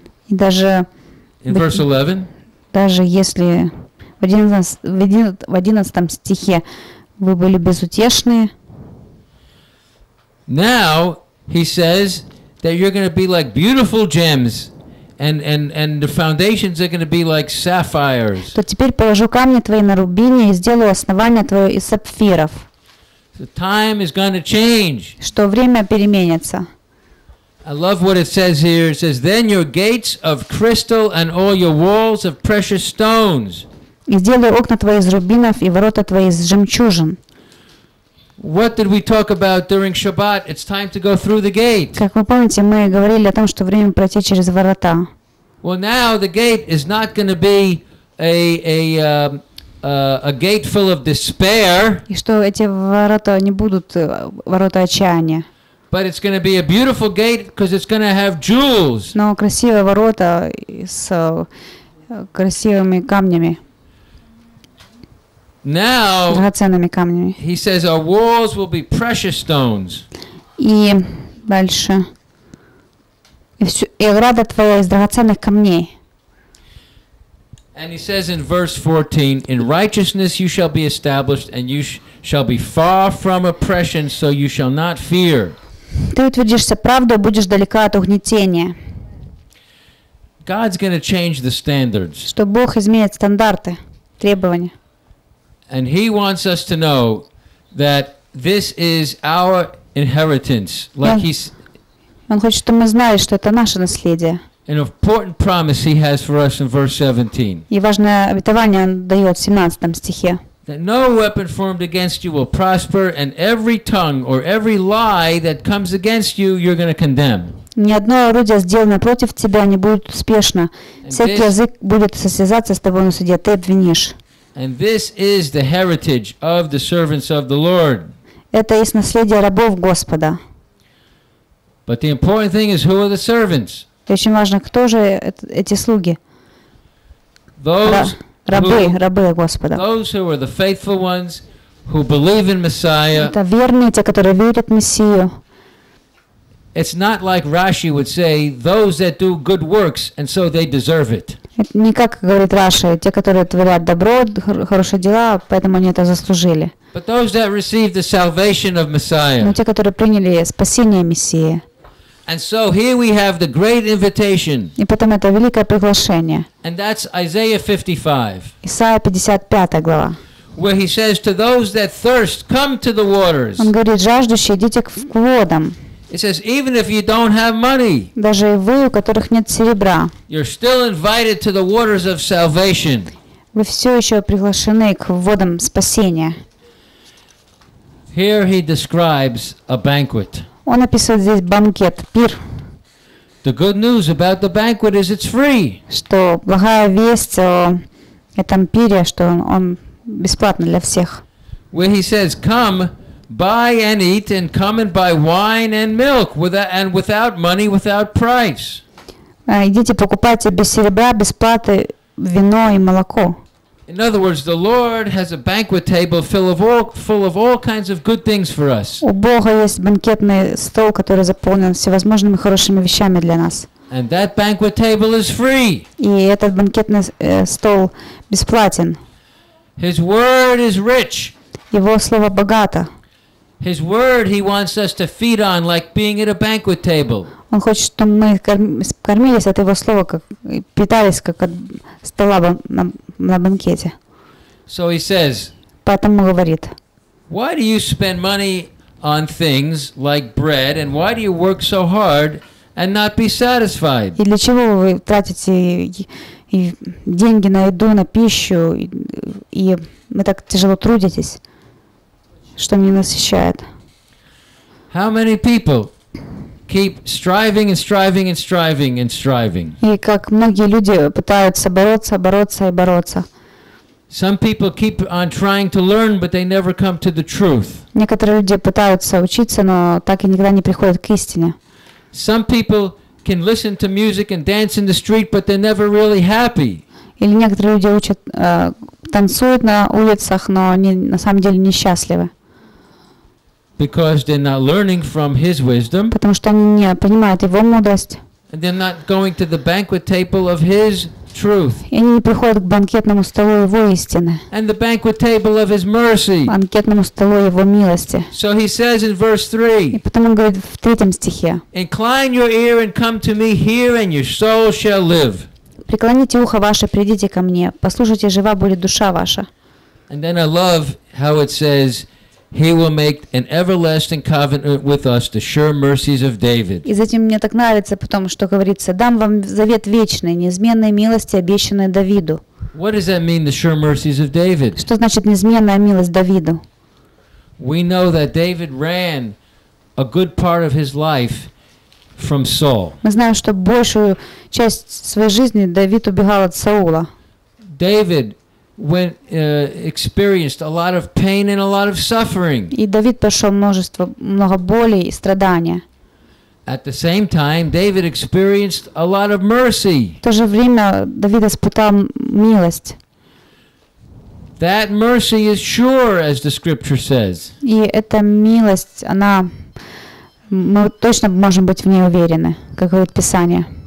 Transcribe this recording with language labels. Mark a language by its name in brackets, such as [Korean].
[Russian] И даже [English] in verse 11. [Russian] Даже если в 11 стихе вы были безутешны. [English] Now He says that you're going to be like beautiful gems, and the foundations are going to be like sapphires. [Russian] То теперь положу камни твои на рубине и сделаю основание твое из сапфиров. [English] The time is going to change. [Russian] Что время переменится. [English] I love what it says here. It says, "Then your gates of crystal and all your walls of precious stones." [Russian] И сделаю окна твои из рубинов и ворота твои из жемчужин. [English] What did we talk about during Shabbat? It's time to go through the gate. [Russian] Как вы помните, мы говорили о том, что время пройти через ворота. [English] Well, now the gate is not going to be a gate full of despair. [Russian] И что эти ворота не будут ворота отчаяния. [English] But it's going to be a beautiful gate because it's going to have jewels. [Russian] Но красивые ворота с красивыми камнями. [English] Now [Russian] драгоценными камнями. [English] He says our walls will be precious stones. [Russian] И дальше. И ограда твоя из драгоценных камней. [English] And he says in verse 14, in righteousness you shall be established, and you shall be far from oppression, so you shall not fear. [Russian] Ты утвердишься правдой, будешь далека от угнетения. [English] God's going to change the standards. [Russian] Что Бог изменит стандарты, требования. [English] And He wants us to know that this is our inheritance, like He's. [Russian] Он хочет, чтобы мы знали, что это наше наследие. [English] An important promise He has for us in verse 17. [Russian] И важное обетование Он дает в 17 стихе. [English] That no weapon formed against you will prosper, and every tongue or every lie that comes against you, you're going to condemn. [Russian] Ни одно орудие, сделанное против тебя, не будет успешно. Всякий язык будет состязаться с тобой на суде, ты обвинишь. [English] And this is the heritage of the servants of the Lord. [Russian] Это есть наследие рабов Господа. [English] But the important thing is, who are the servants? [Russian] Очень важно, кто же эти слуги? Рабы Господа. [English] Those who are the faithful ones who believe in Messiah. [Russian] Это верные, те, которые верят в Мессию. [English] It's not like Rashi would say, those that do good works, and so they deserve it. [Russian] Это не как говорит Раши, те, которые творят добро, хорошие дела, поэтому они это заслужили. [English] But those that received the salvation of Messiah. [Russian] Но те, которые приняли спасение Мессии. [English] And so here we have the great invitation. [Russian] И потом это великое приглашение. [English] And that's Isaiah 55. [Russian] Исаия 55 глава. [English] Where He says to those that thirst, come to the waters. [Russian] Он говорит, жаждущие, идите к водам. [English] It says, even if you don't have money, [Russian] даже вы, у которых нет серебра, [English] you're still invited to the waters of salvation. [Russian] Вы все еще приглашены к водам спасения. [English] Here He describes a banquet. [Russian] Он описывает здесь банкет, пир. [English] The good news about the banquet is it's free. [Russian] Что благая весть о этом пире, что он бесплатно для всех. [English] where he says, "Come, buy and eat, and come and buy wine and milk, and without money, without price." [Russian] Идите покупайте без серебра, без платы вино и молоко. [English] In other words, the Lord has a banquet table full of all kinds of good things for us. [Russian] У Бога есть банкетный стол, который заполнен всевозможными хорошими вещами для нас. [English] And that banquet table is free. [Russian] И этот банкетный стол бесплатен. [English] His word is rich. [Russian] Его слово богато. [English] His word he wants us to feed on like being at a banquet table. [Russian] Он хочет, чтобы мы кормились от его слова, как питались, как от стола на банкете. [English] So he says. [Russian] Поэтому говорит. [English] Why do you spend money on things like bread, and why do you work so hard and not be satisfied? [Russian] И для чего вы тратите и деньги на еду, на пищу, и мы так тяжело трудитесь, что не насыщает? [English] How many people keep striving and striving and striving and striving? [Russian] И как многие люди пытаются бороться, бороться и бороться. [English] Some people keep on trying to learn, but they never come to the truth. [Russian] Некоторые люди пытаются учиться, но так и никогда не приходят к истине. [English] Some people can listen to music and dance in the street, but they're never really happy. [Russian] Или некоторые люди учат танцуют на улицах, но они на самом деле несчастливы. [English] Because they're not learning from His wisdom. [Russian] Потому что они не понимают Его мудрость. [English] And they're not going to the banquet table of His truth. [Russian] И они не приходят к банкетному столу Его истины. [English] And the banquet table of His mercy. [Russian] Банкетному столу Его милости. [English] So He says in verse 3. [Russian] И потом он говорит в третьем стихе. [English] Incline your ear and come to me, hear, and your soul shall live. [Russian] Преклоните ухо ваше, придите ко мне, послушайте, жива будет душа ваша. [English] And then I love how it says. He will make an everlasting covenant with us, the sure mercies of David. [Russian] И затем мне так нравится, потому что говорится, дам вам завет вечный, неизменные милости, обещанные Давиду. [English] What does that mean, the sure mercies of David? [Russian] Что значит неизменная милость Давиду? [English] We know that David ran a good part of his life from Saul. [Russian] Мы знаем, что большую часть своей жизни Давид убегал от Саула. [English] David went experienced a lot of pain and a lot of suffering. [Russian] И Давид прошел много боли и страдания. [English] At the same time, David experienced a lot of mercy. [Russian] В то же время Давид испытал милость. [English] That mercy is sure, as the Scripture says. [Russian] И эта милость, она, мы точно можем быть в ней уверены, как говорит Писание.